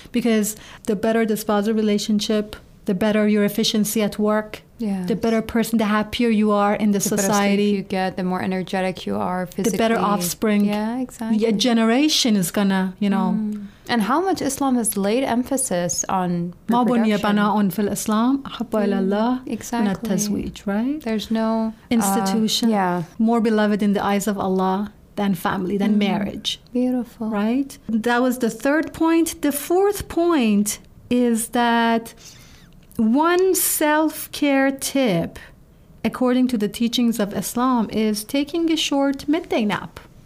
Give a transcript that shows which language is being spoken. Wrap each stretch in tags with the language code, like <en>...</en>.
<en>Because the better the spousal relationship, the better your efficiency at work, the better person, the happier you are in the society. The better sleep you get, the more energetic you are physically. The better offspring. Yeah, exactly. A generation is gonna, And how much Islam has laid emphasis on reproduction.</en> <ar>ما بني بناءٌ في الإسلام أحب إلى الله.</ar> <en>Exactly. And التزويج, right? There's no institution. More beloved in the eyes of Allah than family, than marriage. Beautiful. Right? That was the third point. The fourth point is that one self-care tip, according to the teachings of Islam, is taking a short midday nap.</en>